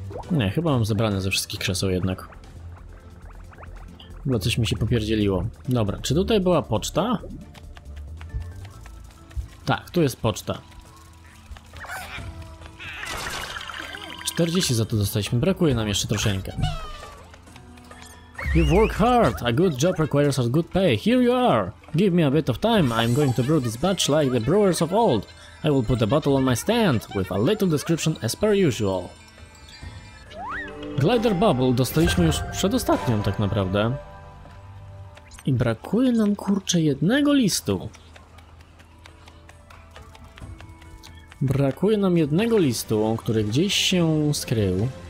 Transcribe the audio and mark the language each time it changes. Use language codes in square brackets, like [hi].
[pl] Nie, chyba mam zebrane ze wszystkich krzeseł jednak. Bo coś mi się popierdzieliło. Dobra, czy tutaj była poczta? Tak, tu jest poczta. 40 za to dostaliśmy, brakuje nam jeszcze troszeczkę. [en] You've worked hard. A good job requires a good pay. Here you are. Give me a bit of time. I'm going to brew this batch like the brewers of old. I will put a bottle on my stand with a little description as per usual. [pl] Glider Bubble dostaliśmy już przedostatnią tak naprawdę. I brakuje nam, kurczę, jednego listu. Brakuje nam jednego listu, który gdzieś się skrył.